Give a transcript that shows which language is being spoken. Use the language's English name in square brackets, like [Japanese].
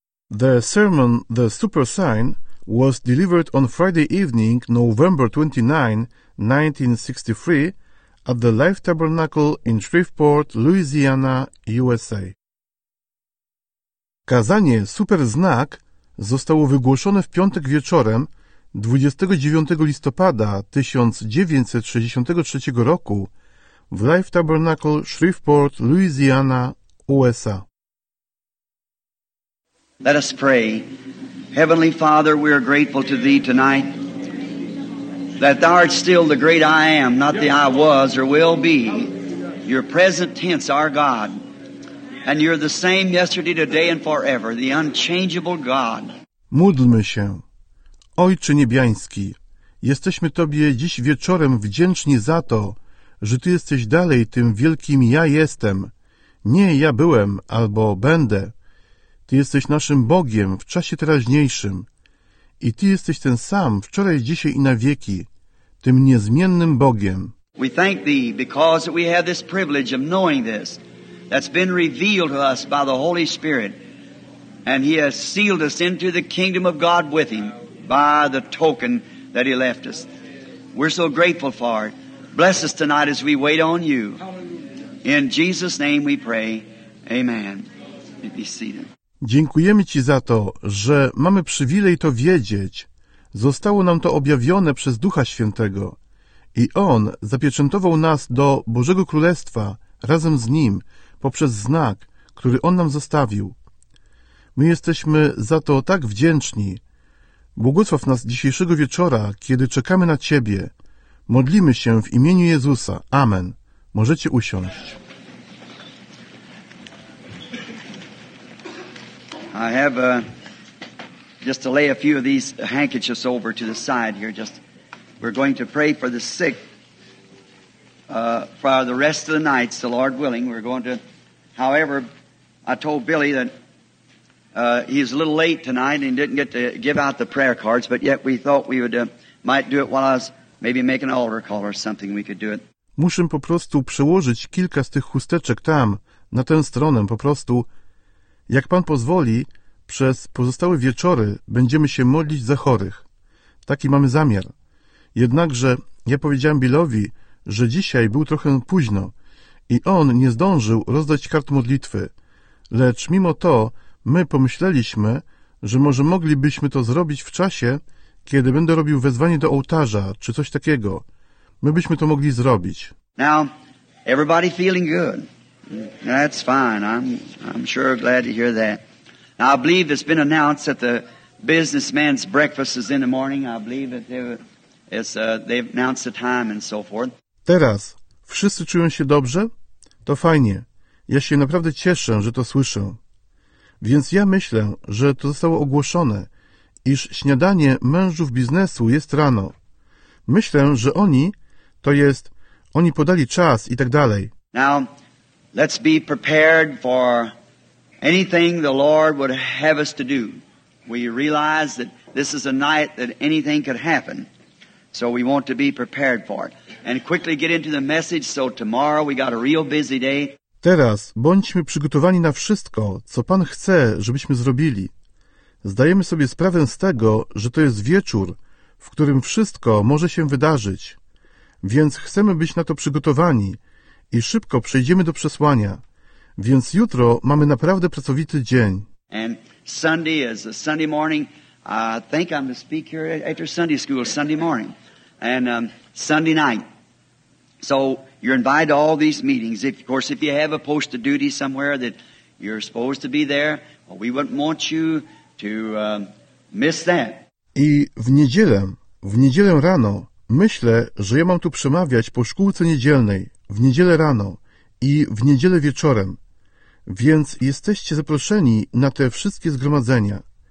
[English] The sermon, The Super Sign, was delivered on Friday evening, November 29, 1963, at the Life Tabernacle in Shreveport, Louisiana, USA. [Polish] Kazanie Super Znak zostało wygłoszone w piątek wieczorem 29 listopada 1963 roku w Life Tabernacle, Shreveport, Louisiana, USA. [English] Let us pray. Heavenly Father, we are grateful to Thee tonight that Thou art still the great I Am, not the I Was or Will Be. Your present tense, our God, and You're the same yesterday, today, and forever, the unchangeable God. [Polish] Módlmy się. Ojcze Niebiański, jesteśmy Tobie dziś wieczorem wdzięczni za to, że Ty jesteś dalej tym wielkim Ja Jestem, nie Ja Byłem albo Będę. Ty jesteś naszym Bogiem w czasie teraźniejszym i Ty jesteś ten sam wczoraj, dzisiaj i na wieki, tym niezmiennym Bogiem. [English] We thank Thee because we have this privilege of knowing this that's been revealed to us by the Holy Spirit, and He has sealed us into the kingdom of God with Him by the token that He left us. We're so grateful for it. Bless us tonight as we wait on You. In Jesus' name we pray. Amen. You be seated. [Polish] Dziękujemy Ci za to, że mamy przywilej to wiedzieć. Zostało nam to objawione przez Ducha Świętego i On zapieczętował nas do Bożego Królestwa razem z Nim poprzez znak, który On nam zostawił. My jesteśmy za to tak wdzięczni. Błogosław nas dzisiejszego wieczora, kiedy czekamy na Ciebie. Modlimy się w imieniu Jezusa. Amen. Możecie usiąść. [English] I have just to lay a few of these handkerchiefs over to the side here. Just we're going to pray for the sick for the rest of the night, so Lord willing. We're going to, however, I told Billy that he's a little late tonight and didn't get to give out the prayer cards, but yet we thought we would might do it while I was maybe making an altar call or something. We could do it. [Polish] Muszę po prostu przełożyć kilka z tych chusteczek tam, na tę stronę, po prostu. Jak Pan pozwoli, przez pozostałe wieczory będziemy się modlić za chorych. Taki mamy zamiar. Jednakże ja powiedziałem Billowi, że dzisiaj był trochę późno i on nie zdążył rozdać kart modlitwy. Lecz mimo to my pomyśleliśmy, że może moglibyśmy to zrobić w czasie, kiedy będę robił wezwanie do ołtarza czy coś takiego. My byśmy to mogli zrobić. [English] Now, everybody feeling good. That's fine. I'm sure glad to hear that. Now, I believe it's been announced that the businessman's breakfast is in the morning. I believe that they've announced the time and so forth. [Polish] Teraz wszyscy czują się dobrze? To fajnie. Ja się naprawdę cieszę, że to słyszę. Więc ja myślę, że to zostało ogłoszone, iż śniadanie mężów biznesu jest rano. Myślę, że oni podali czas i tak dalej. [English] Now, let's be prepared for anything the Lord would have us to do. We realize that this is a night that anything could happen, so we want to be prepared for it. And quickly get into the message, so tomorrow we got a real busy day. [Polish] Teraz bądźmy przygotowani na wszystko, co Pan chce, żebyśmy zrobili. Zdajemy sobie sprawę z tego, że to jest wieczór, w którym wszystko może się wydarzyć. Więc chcemy być na to przygotowani i szybko przejdziemy do przesłania. Więc jutro mamy naprawdę pracowity dzień. [English] And Sunday is a Sunday morning. I think I'm to speak here after Sunday school, Sunday morning. And Sunday night. So you're invited to all these meetings. If, of course, if you have a post of duty somewhere that you're supposed to be there, well, we wouldn't want you to miss that. [Polish] I w niedzielę rano, myślę, że ja mam tu przemawiać po szkółce niedzielnej. W niedzielę rano i w niedzielę wieczorem. Więc jesteście zaproszeni na te wszystkie zgromadzenia.